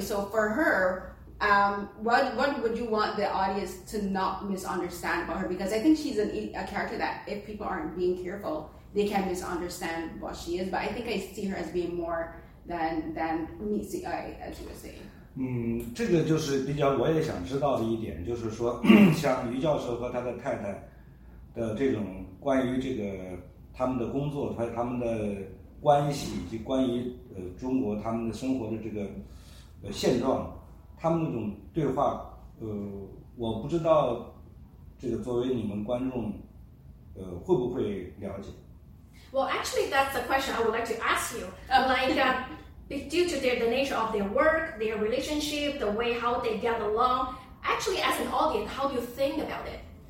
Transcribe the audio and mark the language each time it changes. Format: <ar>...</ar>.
<en>So for her, what would you want the audience to not misunderstand about her? Because I think she's a character that if people aren't being careful, they can misunderstand what she is. But I think I see her as being more than meets the eye, as you were saying.</en> <zh>这个就是比较我也想知道的一点，就是说像于教授和他的太太的这种关于这个他们的工作和他们的关系以及关于中国他们的生活的这个现状，他们那种对话，我不知道这个作为你们观众，会不会了解。</zh> <en>Well, actually, that's the question I would like to ask you. Like, due to the nature of their work, their relationship, the way how they get along, actually, as an audience, how do you think about it?</en>